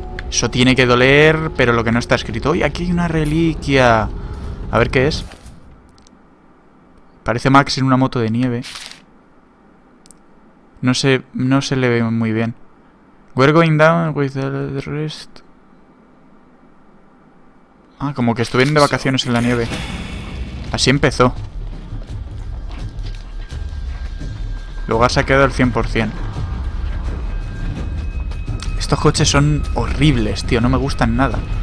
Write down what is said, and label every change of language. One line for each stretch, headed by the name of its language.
Spanish: Eso tiene que doler, pero lo que no está escrito. ¡Uy, aquí hay una reliquia! A ver qué es. Parece Max en una moto de nieve. No se le ve muy bien.
English: We're going down with the rest.
Spanish: Ah, como que estuvieron de vacaciones en la nieve. Así empezó. Luego ha saqueado el 100%. Estos coches son horribles, tío. No me gustan nada.